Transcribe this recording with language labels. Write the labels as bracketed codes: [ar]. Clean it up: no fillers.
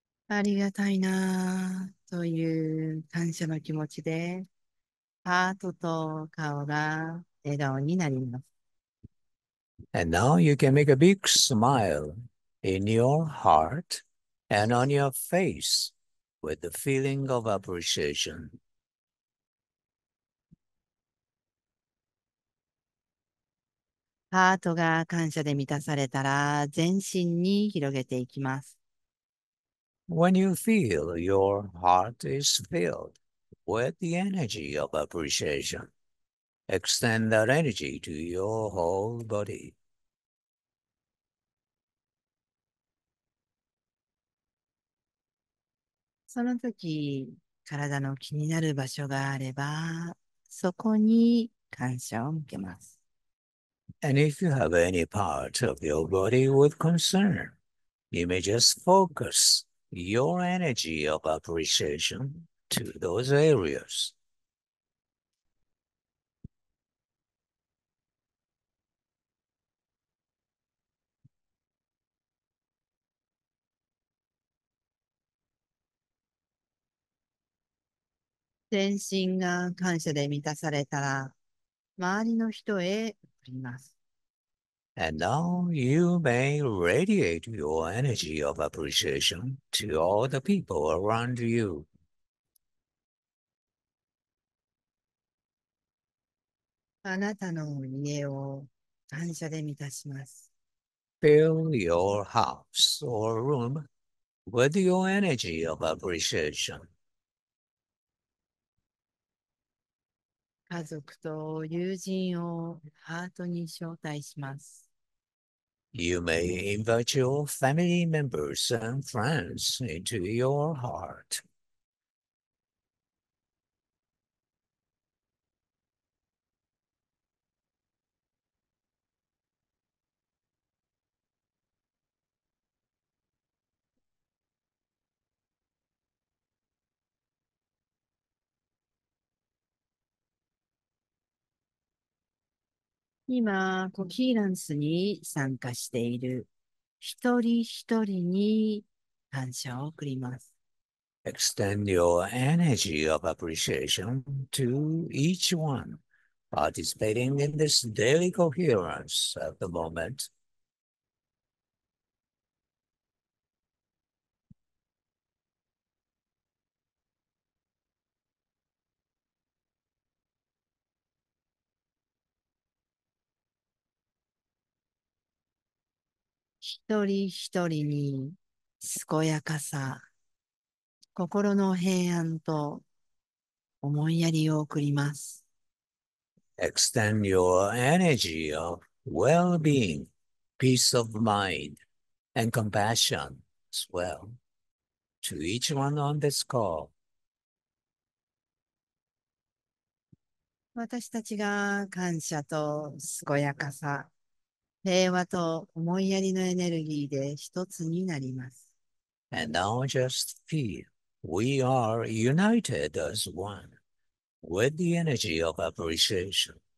[ja] ありがたいなぁという感謝の気持ちで、ハートと顔が笑顔になります。 [en] And now you can make a big smile in your heart and on your face with the feeling of appreciation. [ja] ハートが感謝で満たされたら、全身に広げていきます。 [en] When you feel your heart is filled with the energy of appreciation, extend that energy to your whole body. [ja] その時、体の気になる場所があれば、そこに感謝を向けます。 [en] And if you have any part of your body with concern, you may just focus your energy of appreciation to those areas. Then [ja] 全身が感謝で満たされたら、周りの人へ送ります。 [en] And now you may radiate your energy of appreciation to all the people around you. [ja] あなたの家を感謝で満たします。 [en] Fill your house or room with your energy of appreciation. [ja] 家族と友人をハートに招待します。 [en] You may invite your family members and friends into your heart. [ja] コヒーランスに参加している一人一人に感謝を送ります。 [en] Extend your energy of appreciation to each one participating in this daily coherence at the moment. [ja] ひとりに健やかさ、心の平安と思いやりを送ります。 [en] Extend your energy of well-being, peace of mind, and compassion as well to each one on this call. [ja] 私たちが感謝と健やかさ、平和と思いやりのエネルギーで一つになります。 [en] And now just feel we are united as one with the energy of appreciation.